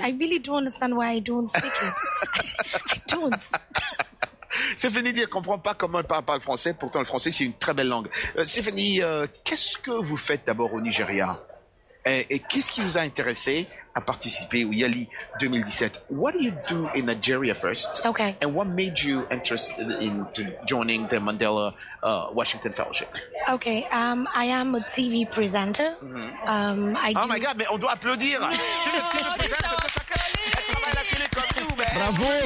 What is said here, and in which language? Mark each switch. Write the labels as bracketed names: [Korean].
[English] I really don't understand why I don't speak it. I don't. [French] Stéphanie dit, elle comprend pas comment elle parle français. Pourtant, le français, c'est une très belle langue. Stéphanie, qu'est-ce que vous faites d'abord au Nigeria? Et qu'est-ce qui vous a intéressé à participer au Yali 2017? [English] What do you do in Nigeria first? Okay. And what made you interested in joining the Mandela Washington Fellowship? Okay. I am a TV presenter. Mm-hmm. My God, [French] mais on doit applaudir. Je suis le TV presenter. Bravo.